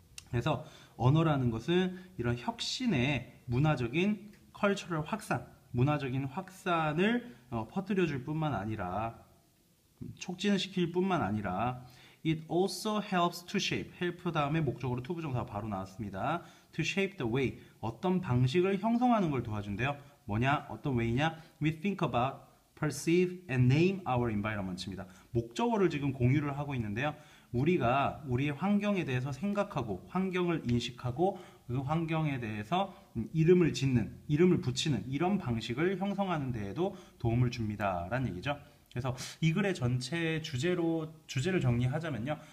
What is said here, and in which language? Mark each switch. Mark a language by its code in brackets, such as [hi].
[ko] 그래서 언어라는 것은 이런 혁신의 문화적인 cultural 확산 문화적인 확산을 퍼뜨려줄 뿐만 아니라 촉진시킬 뿐만 아니라 [en] It also helps to shape. [ko] help 다음에 목적으로 to 부정사가 바로 나왔습니다. [en] To shape the way. [ko] 어떤 방식을 형성하는 걸 도와준대요. 뭐냐? 어떤 way냐? [en] We think about, perceive, and name our environments입니다. [ko] 목적어를 지금 공유를 하고 있는데요. 우리가 우리의 환경에 대해서 생각하고 환경을 인식하고 그 환경에 대해서 이름을 짓는, 이름을 붙이는 이런 방식을 형성하는 데에도 도움을 줍니다라는 얘기죠. 그래서 이 글의 전체 주제를 정리하자면요.